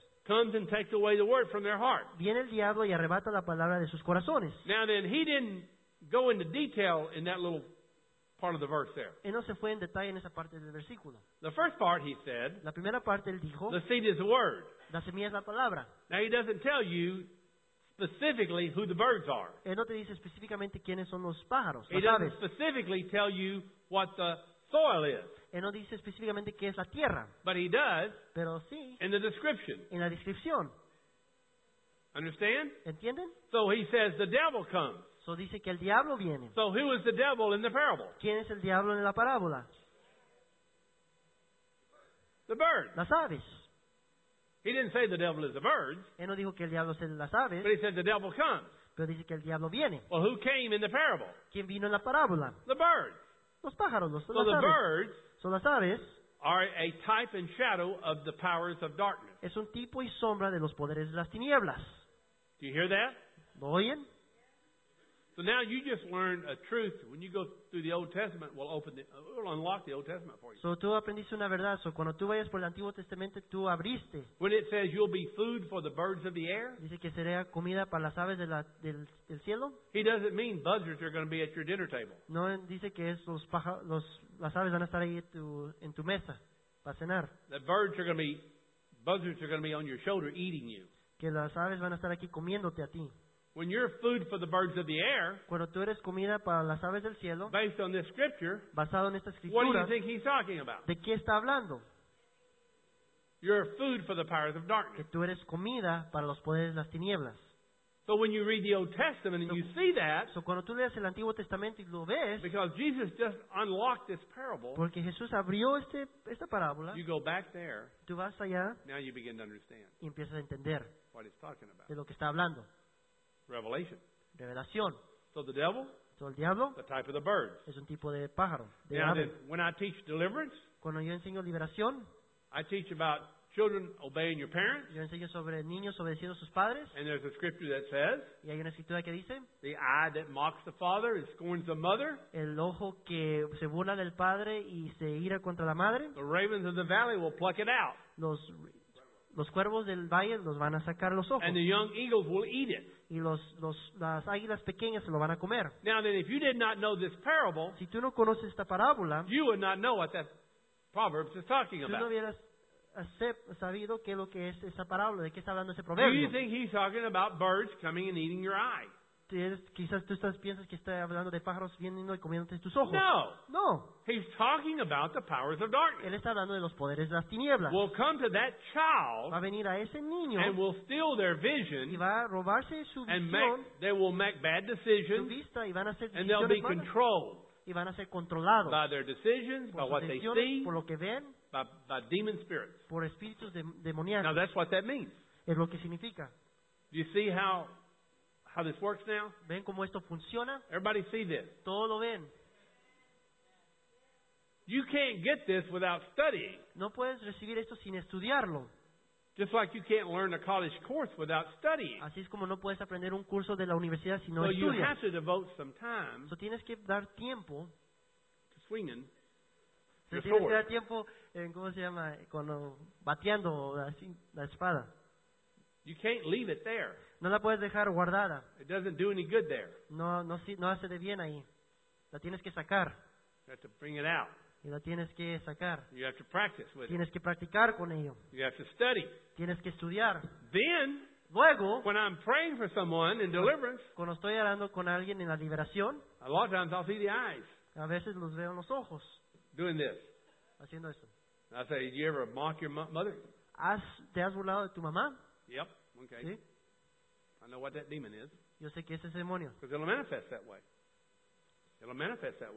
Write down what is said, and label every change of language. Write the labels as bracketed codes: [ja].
[en] comes and takes away the word from their heart. [es] Viene el diablo y arrebata la palabra de sus corazones. [en] Now then, he didn't go into detail in that little part of the verse there. [es] Él no se fue en detalle en esa parte del versículo. [en] The first part he said, [es] la primera parte él dijo, [en] the seed is the word. [es] La semilla es la palabra. [en] Now he doesn't tell you specifically who the birds are. [es] Él no te dice específicamente quiénes son los pájaros, las aves. [en] doesn't specifically tell you what the soil is. [es] Él no dice específicamente qué es la tierra. [en] But he does. [es] Pero sí. [en] In the description. [es] En la descripción. [en] Understand? [es] ¿Entienden? [en] So he says the devil comes. [es] So dice que el diablo viene. [en] So who is the devil in the parable? [es] ¿Quién es el diablo en la parábola? [en] The birds. [es] Las aves. [en] He didn't say the devil is the birds. [es] Él no dijo que el diablo es las aves. [en] But he said the devil comes. [es] Pero dice que el diablo viene. [en] Well, who came in the parable? [es] ¿Quién vino en la parábola? [en] The birds. [es] Los pájaros, los [en] so [es] las [en] the [es] aves. [en] Birds. [es] So las aves [en] are a type and shadow of the powers of darkness. [es] Es un tipo y sombra de los poderes de las tinieblas. [en] Do you hear that? [es] ¿Lo oyen? [en] So now you just learned a truth. When you go through the Old Testament, we'll unlock the Old Testament for you. [es] So tú aprendiste una verdad. So cuando tú vayas por el Antiguo Testamento, tú abriste. [en] When it says you'll be food for the birds of the air, [es] dice que será comida para las aves de del cielo. [en] He doesn't mean buzzards are going to be at your dinner table. [es] No, dice que es los pájaros. Las aves van a estar ahí en tu mesa para cenar. [en] The birds are going to be, buzzards are going to be on your shoulder eating you. [es] Que las aves van a estar aquí comiéndote a ti. [en] When you're food for the birds of the air, [es] cuando tú eres comida para las aves del cielo, [en] based on this scripture, [es] basado en esta escritura, [en] what do you think he's talking about? [es] ¿De qué está hablando? [en] You're food for the powers of darkness. [es] Que tú eres comida para los poderes de las tinieblas. [en] So when you read the Old Testament and you see that, [es] so cuando tú lees el Antiguo Testamento y lo ves, [en] because Jesus just unlocked this parable, [es] porque Jesús abrió esta parábola, [en] you go back there, [es] tú vas allá, [en] now you begin to understand, [es] y empiezas a entender [en] what he's talking about, [es] de lo que está hablando, [en] revelation, [es] revelación. [en] So the devil, [es] so el diablo, [en] the type of the birds, [es] es un tipo de pájaro, de [en] now [es] ave. [en] Then, when I teach deliverance, [es] cuando yo enseño liberación, [en] I teach about children obeying your parents. [es] Yo enseño sobre niños obedeciendo a sus padres. [en] And there's a scripture that says, [es] y hay una escritura que dice, [en] the eye that mocks the father and scorns the mother. [es] El ojo que se burla del padre y se ira contra la madre. [en] The ravens of the valley will pluck it out. [es] Los cuervos del valle los van a sacar los ojos. [en] And the young eagles will eat it. [es] Y las águilas pequeñas se lo van a comer. [en] Now then, if you did not know this parable, [es] si tú no conoces esta parábola, [en] you would not know what that proverb is talking about. [es] No hubieras sabido qué es lo que es esa parábola, de qué está hablando ese proverbio. [en] Do you think he's talking about birds coming and eating your eye? [es] Quizás tú piensas que está hablando de pájaros viniendo y comiéndote tus ojos. [en] No. [es] No. [en] He's talking about the powers of darkness. [es] Él está hablando de los poderes de las tinieblas. [en] Will come to that child. [es] Va a venir a ese niño. [en] And will steal their vision. [es] Y va a robarse su visión. [en] And they will make bad decisions. [es] Su vista, y van a hacer decisiones malas. [en] And they'll be controlled. [es] Y van a ser controlados. [en] By their decisions, by what they see. [es] Por lo que ven. [en] By demon spirits. [es] Por espíritus demoníacos. [en] Now that's what that means. [es] Es lo que significa. [en] Do you see how this works now? [es] ¿Ven cómo esto funciona? [en] Everybody see this. [es] Todo lo ven. [en] You can't get this without studying. [es] No puedes recibir esto sin estudiarlo. [en] Just like you can't learn a college course without studying. [es] Así es como no puedes aprender un curso de la universidad si no [en] so [es] estudias. [en] So you have to devote some time. [es] So tienes que dar tiempo. [en] To swinging. [es] Tienes que dar tiempo en, ¿cómo se llama?, cuando bateando así la espada. [en] You can't leave it there. [es] No la puedes dejar guardada. [en] It doesn't do any good there. [es] No hace de bien ahí. La tienes que sacar. [en] You have to bring it out. [es] Y la tienes que sacar. [en] You have to practice with it. [es] Tienes que practicar con ello. [en] You have to study. [es] Tienes que estudiar. [en] Then, [es] luego, [en] when I'm praying for someone in deliverance, [es] cuando estoy orando con alguien en la liberación, [en] a lot of times I'll see the eyes. [es] A veces los veo en los ojos. [en] Doing this. [es] Haciendo esto. [en] I say, did you ever mock your mother? [es] ¿Te has burlado de tu mamá? [en] Yep. Ok. Okay. [es] ¿Sí? [en] I know what that demon is. [es] Yo sé que ese es demonio. [en] Because it'll manifest that way. It'll manifest that way.